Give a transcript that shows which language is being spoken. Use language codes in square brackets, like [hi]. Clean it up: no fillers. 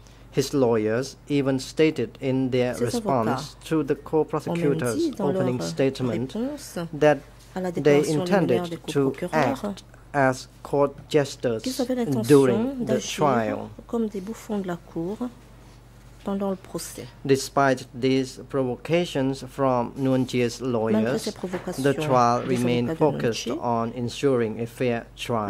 [en] His lawyers even stated in their response to the co-prosecutor's opening statement that they intended to act as court jesters during the trial. [fr] Comme des bouffons de la cour pendant le procès. [en] Despite these provocations from Nguyen Chia's lawyers, the trial remained focused on ensuring a fair trial.